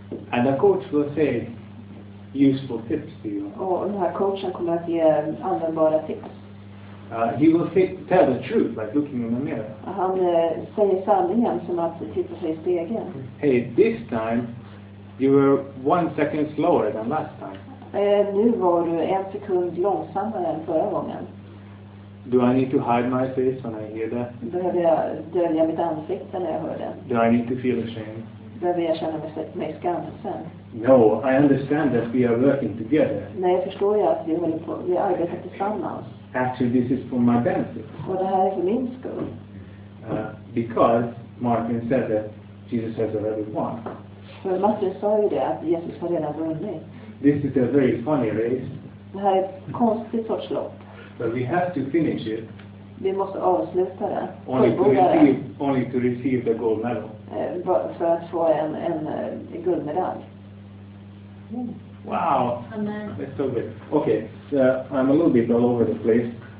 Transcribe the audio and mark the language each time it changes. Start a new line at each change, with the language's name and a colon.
English: And the coach will say useful tips to you.
Swedish: Och den här coachen kommer att ge användbara tips.
English: He will tell the truth like looking in the mirror.
Swedish: Han säger sanningen som att titta sig i spegeln.
English: Hey, this time you were 1 second slower than last time.
Swedish: Nu var du 1 sekund långsammare än förra gången.
English: Do I need to hide my face when I hear that?
Swedish: Behöver jag dölja mitt ansikte när jag hör det?
English: Do I need to feel ashamed?
Swedish: Behöver jag känna mig skamsen?
English: No, I understand that we are working together.
Swedish: Nej, jag förstår ju att vi arbetar tillsammans.
English: Actually, this is for my benefit.
Swedish: Och det här är för min skull.
English: Because Martin said that Jesus has already won.
Swedish: För Martin sa ju det att Jesus har redan vunnit.
English: This is a very funny race.
Swedish: Det här är ett konstigt sorts lopp.
English: But we have to finish it.
Swedish: Vi måste avsluta det.
English: Only to receive the gold medal.
Swedish: För att få en guldmedalj.
English: Wow. Amen. That's so good. Okay, so I'm a little bit all over the place.